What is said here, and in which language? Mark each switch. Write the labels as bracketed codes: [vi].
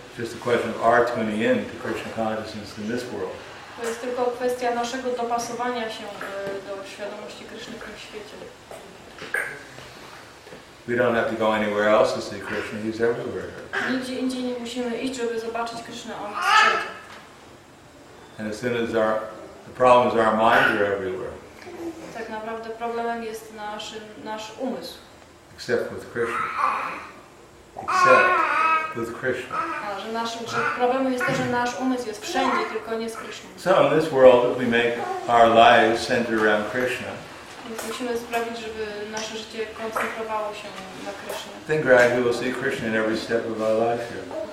[en] It's just a question of our tuning in to Krishna consciousness in this world. [pl] To jest tylko kwestia naszego dopasowania się do świadomości Kryszny w tym świecie. [en] We don't have to go anywhere else to see Krishna, he's everywhere. [pl] Nigdzie indziej nie musimy iść, żeby zobaczyć Krishna, on jest wszędzie. [en] And as soon as the problems are our minds are everywhere. [pl] Tak naprawdę problemem jest nasz umysł. [en] Except with Krishna. Except with Krishna. [pl] Problemem jest to, że nasz umysł jest wszędzie, tylko nie z Krishna. [en] So in this world, if we make our lives center around Krishna, [pl] musimy sprawić, żeby nasze życie koncentrowało się na Krishna. [en] Then gradually we'll see Krishna in every step of our life here.